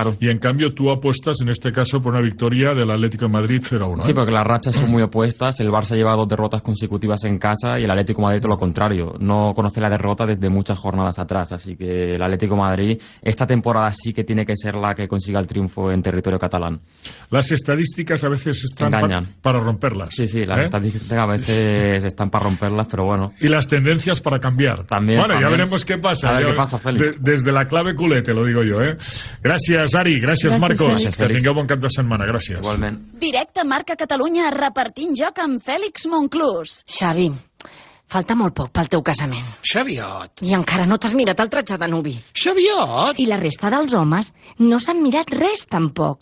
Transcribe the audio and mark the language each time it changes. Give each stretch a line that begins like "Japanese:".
Spanish: Claro.
Catalan: I en canvi tu apostes
Spanish: en este caso
Catalan: por una victòria de l'Atlético de Madrid 0-1. Sí, perquè les ratxes són
Spanish: muy opuestas, el Barça lleva dos derrotas consecutivas en casa y el Atlético de Madrid lo contrario, no conoce la derrota desde muchas jornadas atrás, así que el Atlético de Madrid esta temporada sí que tiene que ser la que consiga el triunfo en territorio catalán. Las estadísticas a veces están para romperlas. Sí, sí, las estadísticas a veces están para romperlas, pero bueno. Y las tendencias para cambiar. También. Bueno, también. Ya veremos qué pasa. A ver qué pasa, Félix. Desde la clave culete, lo digo yo, ¿eh? Gracias, Ari. Gracias, Marcos. Gracias, Félix. Que tenga buen
Catalan: cap de semana.
Spanish: Gracias. Igualmente.
Catalan: Directa Marca Catalunya, repartint joc amb Félix Monclús. Xavi, Falta molt poc pel teu casament. Xaviot! I encara no t'has mirat el tratge de nuvi. Xaviot! I la resta dels homes no s'han mirat res, tampoc.